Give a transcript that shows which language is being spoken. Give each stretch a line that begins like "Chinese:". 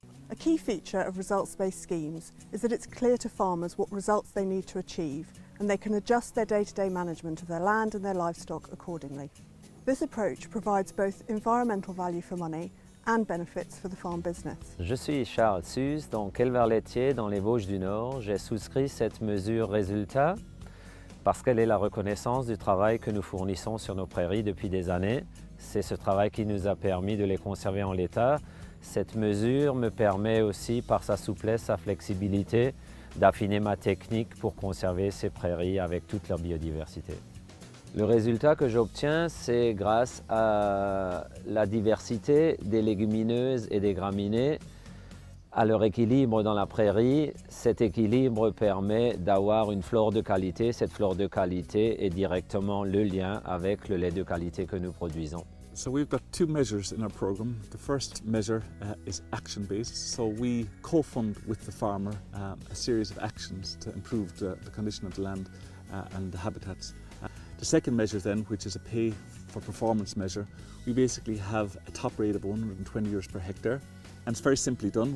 English: A key feature of results-based schemes is that it's clear to farmers what results they need to achieve, and they can adjust their day-to-day management of their land and their livestock accordingly. This approach provides both environmental value for money and benefits for the farm business.
French: Je suis Charles Suze, donc éleveur laitier dans les Vosges du Nord. J'ai souscrit cette mesure résultat parce qu'elle est la reconnaissance du travail que nous fournissons sur nos prairies depuis des années. C'est ce travail qui nous a permis de les conserver en l'état. Cette mesure me permet aussi, par sa souplesse, sa flexibilité, d'affiner ma technique pour conserver ces prairies avec toute leur biodiversité. Le résultat que j'obtiens, c'est grâce à la diversité des légumineuses et des graminées, à leur équilibre dans la prairie. Cet équilibre permet d'avoir une flore de qualité. Cette flore de qualité est directement le lien avec le lait de qualité que nous produisons.
English: So we've got two measures in our program. The first measure is action-based. So we co-fund with the farmer a series of actions to improve the condition of the land and the habitats. The second measure then, which is a pay for performance measure, we basically have a top rate of €120 per hectare. And it's very simply done.